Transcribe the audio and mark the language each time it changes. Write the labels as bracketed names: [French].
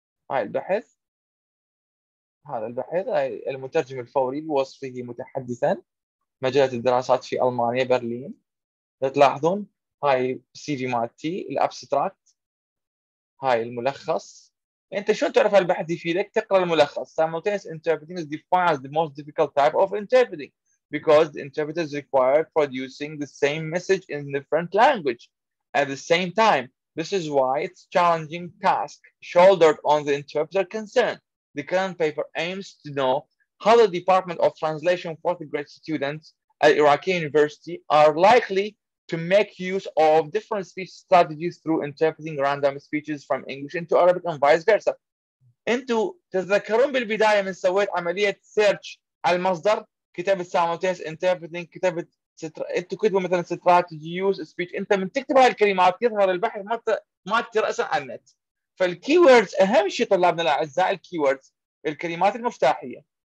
[Arabic] هاي البحث، هذا البحث، هاي المترجم الفوري بوصفه متحدثا، مجلة الدراسات في ألمانيا برلين. تلاحظون هاي سي في مالتي، الأبستراكت، هاي الملخص. أنت شلون تعرف البحث يفيدك؟ تقرأ الملخص. [English] Simultaneous interpreting is defined as the most difficult type of interpreting because the interpreter is required producing the same message in different language at the same time. This is why it's challenging task shouldered on the interpreter concerned. The current paper aims to know how the Department of Translation for the grad students at Iraqi University are likely to make use of different speech strategies through interpreting random speeches from English into Arabic and vice versa. [Arabic] انتو تذكرون بالبداية من سويت عملية search على المصدر، كتبت simultaneous interpreting، كتبت انتو كتبوا مثلا [English] strategy use speech. [Arabic] انت من تكتب هاي الكلمات يظهر البحث ما ترأس على النت. فالكيوردز اهم شيء طلابنا الاعزاء، الكيوردز الكلمات المفتاحية.